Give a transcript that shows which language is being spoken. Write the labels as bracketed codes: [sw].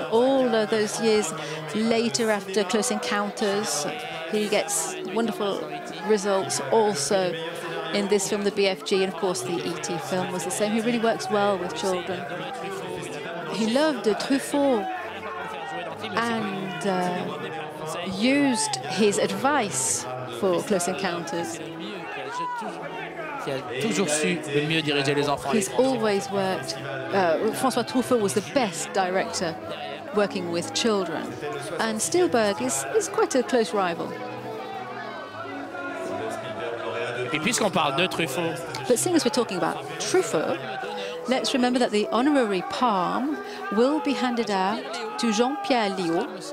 [en] All of those years later after Close Encounters, he gets wonderful results also in this film, The BFG, and of course the E.T. film was the same. He really works well with children. He loved Truffaut and used his advice for Close Encounters. [fr] Qui a toujours su le mieux diriger les enfants. [en] He's always worked. François Truffaut was the best director working with children. And Spielberg is quite a close rival. [fr] Et puis, puisqu'on parle de Truffaut. [en] But seeing as we're talking about Truffaut, let's remember that the honorary palm will be handed out to Jean-Pierre Léaud.